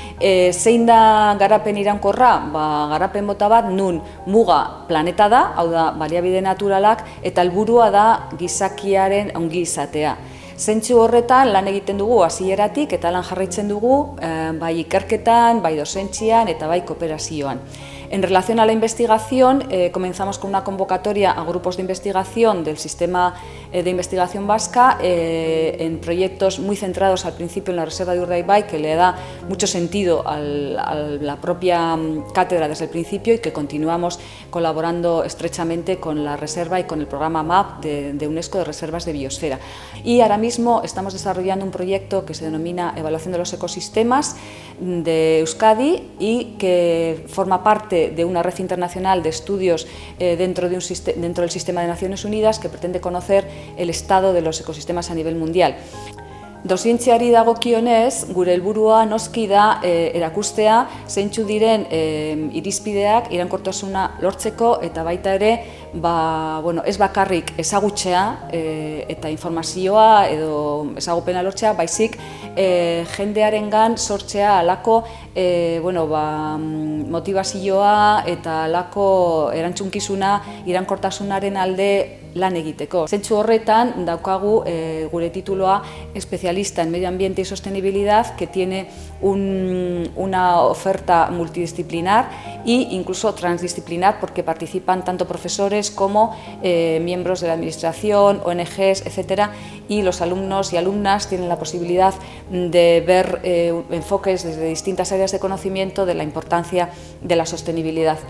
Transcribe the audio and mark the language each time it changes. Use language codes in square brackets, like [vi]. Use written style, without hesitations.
[eu] Zein da garapen iraunkorra? Garapen mota bat nun muga planeta da, hau da, baliabide naturalak eta helburua da gizakiaren ongizatea. Zentzu horretan lan egiten dugu hasieratik eta lan jarraitzen dugu bai ikerketan, bai dozentzian eta bai kooperazioan. [es] En relación a la investigación, comenzamos con una convocatoria a grupos de investigación del Sistema de Investigación Vasca en proyectos muy centrados al principio en la Reserva de Urdaibai, que le da mucho sentido a la propia cátedra desde el principio y que continuamos colaborando estrechamente con la Reserva y con el programa MAP de UNESCO de Reservas de Biosfera. Y ahora mismo estamos desarrollando un proyecto que se denomina Evaluación de los Ecosistemas de Euskadi y que forma parte de una red internacional de estudios dentro del Sistema de Naciones Unidas que pretende conocer el estado de los ecosistemas a nivel mundial. [eu] Dozientziari dagokionez, gure helburua noski da erakustea zeintzuk diren irizpideak iraunkortasuna lortzeko eta baita ere ba, bueno, ez bakarrik ezagutzea eta informazioa edo ezagupena lortzea, baizik jendearengan sortzea alako bueno, ba, motivazioa eta alako erantzunkizuna irankortasunaren alde lan egiteko. Zentzu horretan daukagu gure tituloa [es] especialista en medio ambiente y sostenibilidad que tiene una oferta multidisciplinar e incluso transdisciplinar porque participan tanto profesores como miembros de la administración, ONGs, etcétera, y los alumnos y alumnas tienen la posibilidad de ver enfoques desde distintas áreas de conocimiento de la importancia de la sostenibilidad.